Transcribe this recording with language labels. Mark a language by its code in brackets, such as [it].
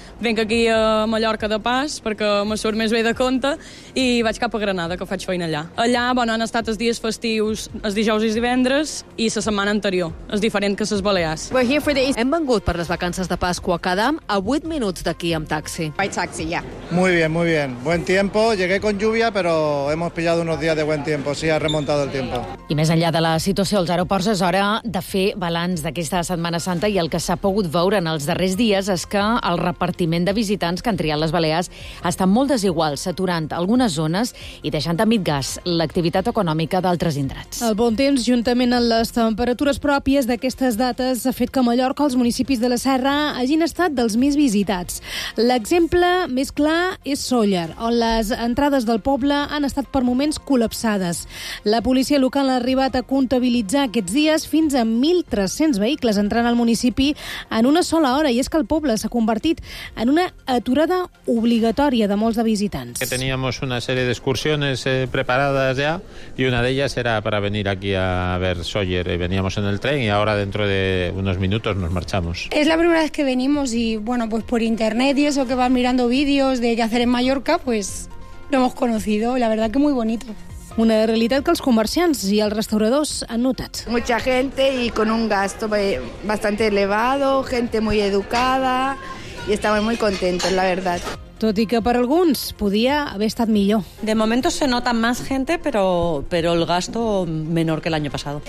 [ca] Venc aquí a Mallorca de pas perquè me surt més bé de compte i vaig cap a Granada, que faig feina allà. Bueno, han estat els dies festius, els dijous i divendres, i la setmana anterior. És diferent que les Balears. [en] We're here for the... [ca] Hem vengut per les vacances de Pasqua a Cadam a 8 minuts d'aquí amb taxi. [en] By taxi, yeah. [es] Muy bien, muy bien. Buen tiempo. Llegué con lluvia, pero hemos pillado unos días de buen tiempo. Sí, ha remontado el tiempo. [ca] I més enllà de la situació als aeroports, és hora de fer balanç d'aquesta Setmana Santa i el que s'ha pogut veure en els darrers dies és que el repartiment de visitants que han triat les Balears està molt desigual, saturant algunes zones i deixant a mig gas l'activitat econòmica d'altres indrets. El bon temps, juntament amb les temperatures pròpies d'aquestes dates, ha fet que Mallorca, els municipis de la Serra, hagin estat dels més visitats. L'exemple més clar és Sóller, on les entrades del poble han estat per moments col·lapsades. La policia local ha arribat a comptabilitzar aquests dies fins a 1.300 vehicles entrant al municipi en una sola hora, i és que el poble s'ha convertit en una aturada obligatòria de molts de visitants. Teníem una sèrie d'excursions preparades [es] y una de ellas era para venir aquí a ver Sóller. Veníamos en el tren y ahora dentro de unos minutos nos marchamos. Es la primera vez que venimos y, bueno, pues por internet y eso que van mirando vídeos de qué hacer en Mallorca, pues lo hemos conocido. La verdad que muy bonito. [ca] Una realitat que els comerciants i els restauradors han notat. [es] Mucha gente y con un gasto bastante elevado, gente muy educada y estamos muy contentos, la verdad. [ca] Tot i que per alguns podia haver estat millor. [es] De momento se nota más gente, pero el gasto menor que el año pasado.